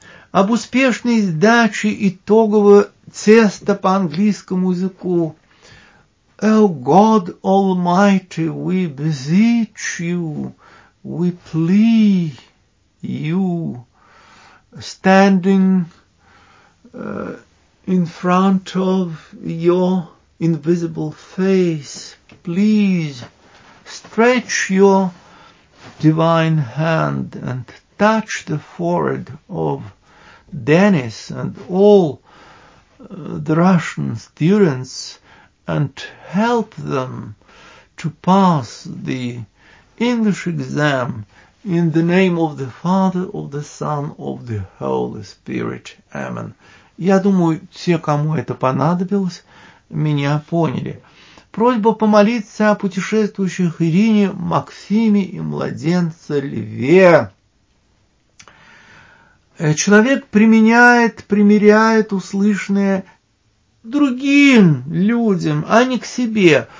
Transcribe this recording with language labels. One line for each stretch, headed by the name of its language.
Russian: Об успешной сдаче итогового теста по английскому языку.
English: Oh God Almighty, we beseech you, we plea you, standing in front of your invisible face, please stretch your divine hand and touch the forehead of Dennis and all the Russian students and help them to pass the English exam in the name of the Father, of the Son, of the Holy Spirit. Amen.
Russian: Я думаю, те, кому это понадобилось, меня поняли. Просьба помолиться о путешествующих Ирине, Максиме и младенце Льве. Человек применяет, примеряет услышанное другим людям, а не к себе.